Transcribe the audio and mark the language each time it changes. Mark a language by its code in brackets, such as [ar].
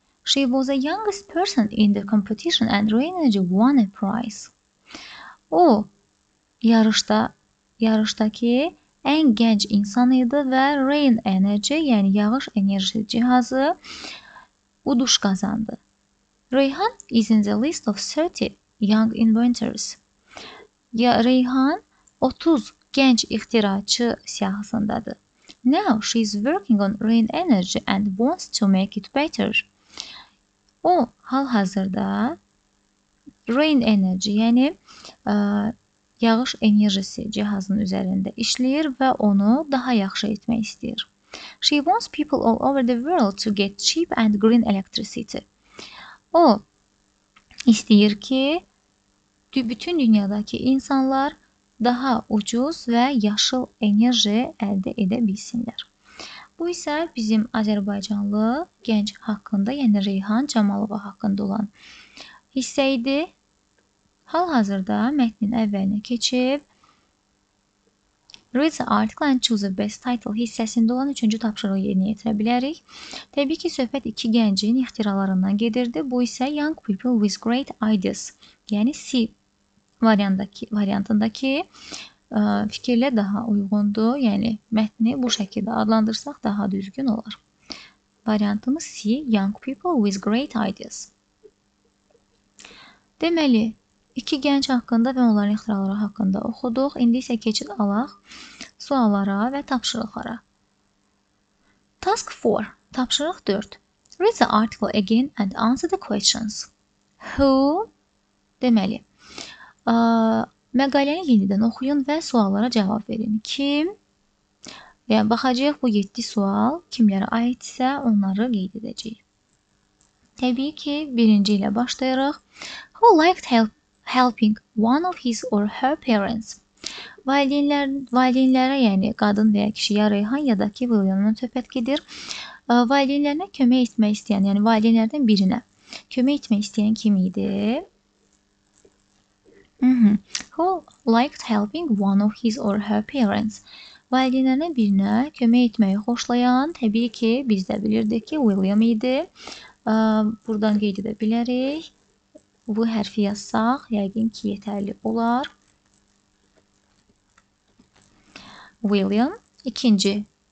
[en] She was the youngest person in the competition and Rayhan won a prize. [az] O yarışdakı ən gənc insan idi və Rain Energy, yəni yağış enerji cihazı uduş qazandı. [en] Rayhan is in the list of 30 young inventors. [az] Ya Rayhan 30 gənc ixtiracı siyahısındadır. [en] Now she is working on Rain Energy and wants to make it better. [az] O hal-hazırda Rain Energy, yəni yağış enerjisi cihazının üzərində işləyir və onu daha yaxşı etmək istəyir. [en] She wants people all over the world to get cheap and green electricity. [az] O istəyir ki, bütün dünyadakı insanlar daha ucuz və yaşıl enerji əldə edə bilsinlər. Bu isə bizim Azərbaycanlı gənc haqqında, yəni Reyhan Camalova haqqında olan hissə idi. Hal-hazırda mətnin əvvəlinə keçib, [en] Read the article and choose the best title [az] hissəsində olan üçüncü tapşırığı yerinə yetirə bilərik. Təbii ki, söhbət iki gəncin ixtiralarından gedirdi. Bu isə [en] Young People with Great Ideas, [az] yəni C variantındakı fikirlə daha uyğundur. Yəni, mətni bu şəkildə adlandırsaq daha düzgün olar. Variantımız C, [en] Young People with Great Ideas. [az] Deməli, iki gənc haqqında və onların ixtiraları haqqında oxuduq. İndi isə keçid alaq suallara və tapşırıqlara. Task 4, tapşırıq 4. [en] Read the article again and answer the questions. Who? [az] Deməli, məqaləni yenidən oxuyun və suallara cavab verin. Kim? Yəni, baxacaq bu 7 sual kimlərə aiddirsə, onları qeyd edəcəyik. Təbii ki, birinci ilə başlayırıq. [en] Who liked helping one of his or her parents? [az] Valideynlərə, yəni qadın və ya kişi, ya Rayhan, ya da ki, William'ın söhbət gedir. Valideynlərinə kömək etmək istəyən, yəni valideynlərdən birinə kömək etmək istəyən kim idi? [en] Who liked helping one of his or her parents? [az] Valideynlərinə birinə kömək etməyi xoşlayan, təbii ki, biz də bilirdik ki, William idi. Buradan qeyd edə bilərik. Bu hərfi yazsaq, yəqin ki, yetərli olar. William, ikinci.